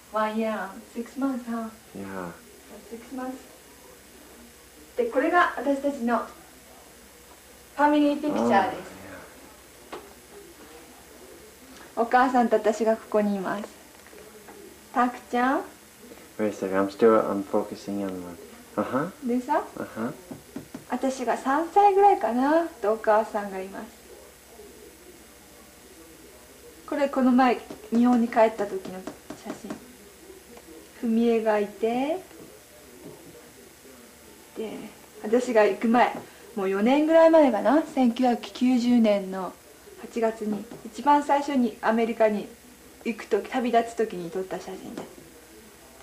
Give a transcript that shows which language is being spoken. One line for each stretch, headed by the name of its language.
English: 1 year, 6 months, huh? Yeah. 6 months.
Japanese: で、これが私たちのファミリーピクチャーです。お母さんと私がここにいます。タクちゃん。
English: Wait a second, I'm still I'm focusing on one. Uh-huh.
Japanese: でさ、 uh-huh. 私が3歳ぐらいかなとお母さんがいます。これこの前日本に帰った時の写真。フミエがいて、で私が行く前、もう4年ぐらい前かな、1990年の8月に一番最初にアメリカに行くとき、旅立つときに撮った写真です。